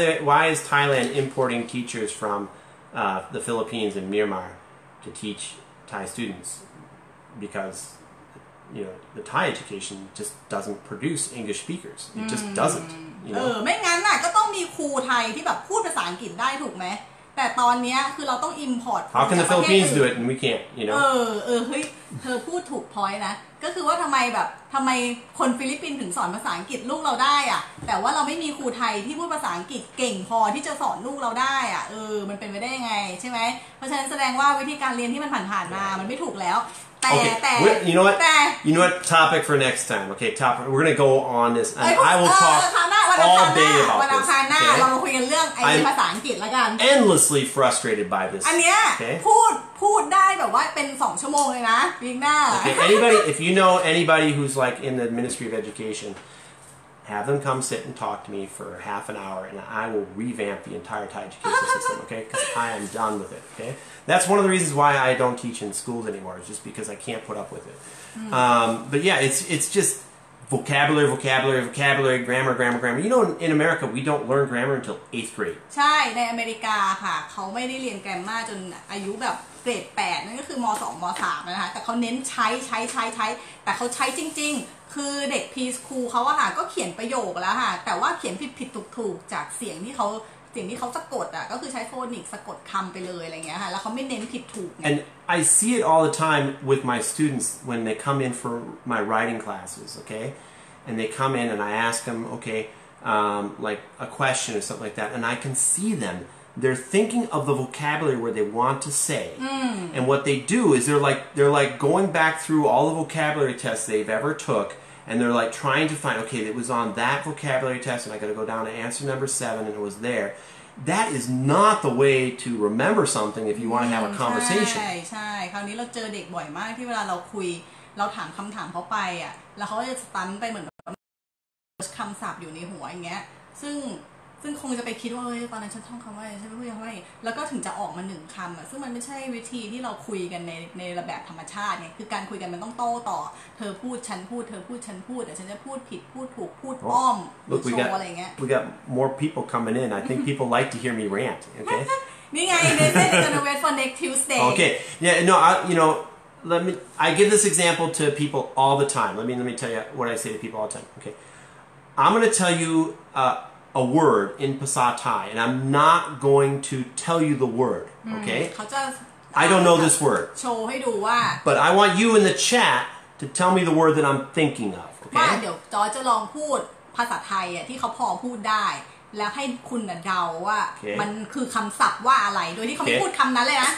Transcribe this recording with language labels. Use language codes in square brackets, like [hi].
[en] Why is Thailand importing teachers from the Philippines and Myanmar to teachThai students, because you know the Thai education just doesn't produce English speakers. It just doesn't. You know? [th] ไม่งั้นน่ะก็ต้องมีครูไทยที่แบบพูดภาษาอังกฤษได้ถูกไหมแต่ตอนนี้คือเราต้อง import. [en] How can the Philippines do it and we can't? You know. [th] เฮ้ยเธอพูดถูกพอยต์นะก็คือว่าทำไมคนฟิลิปปินส์ถึงสอนภาษาอังกฤษลูกเราได้อ่ะแต่ว่าเราไม่มีครูไทยที่พูดภาษาอังกฤษเก่งพอที่จะสอนลูกเราได้อ่ะมันเป็นไปได้ยังไงใช่ไหมเพราะฉะนั้นแสดงว่าวิธีการเรียนที่มันผ่านมามันไม่ถูกแล้วแต่ [en] you know what topic for next time okay topic we're gonna go on this and I will talk all day about this [th] วันอังคารหน้าเราคุยกันเรื่องไอ้ภาษาอังกฤษละกัน [en] endlessly frustrated by this [th] อันเนี้ยพูดได้แบบว่าเป็น2ชั่วโมงเลยนะวีคหน้า [en] okay anybody if you know anybody who's like in the Ministry of Education have them come sit and talk to me for half an hour and I will revamp the entire Thai education system okay because I am done with it okay that's one of the reasons why I don't teach in schools anymore is just because I can't put up with it but yeah it's just vocabulary grammar you know in America we don't learn grammar until 8th grade [th] ใช่ในอเมริกาค่ะเขาไม่ได้เรียนแกรมมาจนอายุแบบเกรด8นั่นก็คือม2ม3นะคะแต่เขาเน้นใช้แต่เขาใช้จริงๆคือเด็กพรีสคูลเขาอะค่ะก็เขียนประโยคแล้วค่ะแต่ว่าเขียนผิดถูกๆจากเสียงที่เขาสะกดอะก็คือใช้โฟนิกสะกดคำไปเลยอะไรเงี้ยค่ะแล้วเขาไม่เน้นผิดถูก [en] And I see it all the time with my students when they come in for my writing classes okay and they come in and I ask them okay like a question or something like that and I can see themThey're thinking of the vocabulary where they want to say. And what they do is they're like going back through all the vocabulary tests they've ever took. And they're like trying to find, okay, it was on that vocabulary test. And I got to go down to answer number 7 and it was there. That is not the way to remember something if you want to have a conversation. [th] ใช่ใช่คราวนี้เราเจอเด็กบ่อยมากที่เวลาเราคุยเราถามคำถามเขาไปอ่ะแล้วเขาจะสตันไปเหมือนกับคำศัพท์อยู่ในหัวอย่างเงี้ยซึ่งคงจะไปคิดว่าเอ้ยตอนนั้นฉันท่องคำว่าอะไรฉันไม่รู้ยังไงแล้วก็ถึงจะออกมาหนึ่งคำอ่ะซึ่งมันไม่ใช่วิธีที่เราคุยกันในระแบบธรรมชาติเนี่ยคือการคุยกันมันต้องโต้ต่อเธอพูดฉันพูดเธอพูดฉันพูดแต่ฉันจะพูดผิดพูดถูกพูดอ้อมหรือโชว์อะไรเงี้ย [en] We got more people coming in I think people like to hear me rant okay [th] นี่ไงเดี๋ยวจะต้องรอฟัง [en] next Tuesday okay yeah no I, you know I give this example to people all the time let me tell you what I say to people all the time okay I'm gonna tell youa word in Pasa Thai, and I'm not going to tell you the word, okay? I don't know this word. But I want you in the chat to tell me the word that I'm thinking of, okay? [th] เดี๋ยวจอจะลองพูดภาษาไทยอ่ะที่เขาพอพูดได้แล้วให้คุณเดาว่ามันคือคำศัพท์ว่าอะไรโดยที่เขาไม่พูดคำนั้นเลยนะ